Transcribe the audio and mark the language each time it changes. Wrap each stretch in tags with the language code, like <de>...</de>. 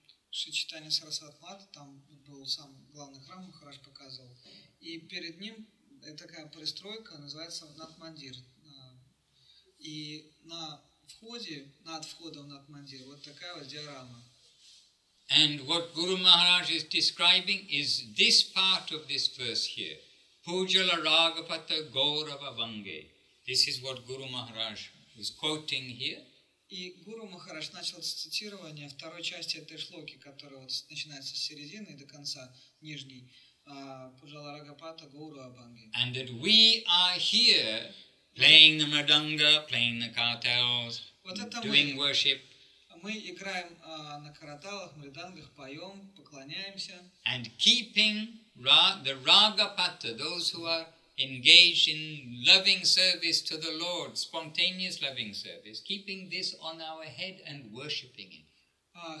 <ru>Шри Чайтанья Сарасватмат, там был сам главный храм, Махарадж показывал. И перед ним такая пристройка, называется Натмандир. И на входе, над входом Натмандир, вот такая вот диорама.</ru> <en>And what Guru Maharaj is describing is this part of this verse here.</en> <sa>Pujala Ragapata Gaurava Vange.</sa> <en>This is what Guru Maharaj is quoting here.</en> <ru>И Гуру Махарадж начал цитирование второй части этой шлоки, которая вот начинается с середины и до конца нижней</ru> <sa>Пуджала Рагапата Гуру Абанги.</sa> <en>And that we are here playing the mridanga, playing the kartals,</en> <ru>вот это</ru> <en>doing</en> <ru>мы,</ru> <en>worship.</en> <ru>Мы играем на караталах, мридангах, поем, поклоняемся.</ru> <en>And keeping the Рагапата, those who are engaged in loving service to the Lord, spontaneous loving service, keeping this on our head and worshipping it.</en>